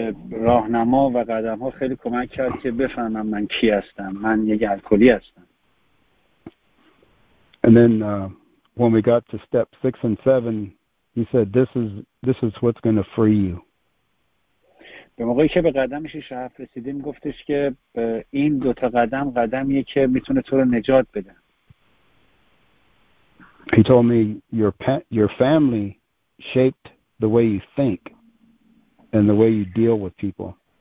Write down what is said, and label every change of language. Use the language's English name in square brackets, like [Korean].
[Persian] راهنما و قدم ها خیلی کمک کرد که بفهمم من کی هستم، من یه الکلی هستم. [English] And then when we got to step 6 and 7 he said this is what's going to free you. [Persian] به موقعی که به قدم 6 و 7 رسیدیم گفتش که این دو تا قدم قدمیه که میتونه تو رو نجات بده. [English] He told me your family shaped the way you think and the way you deal with people.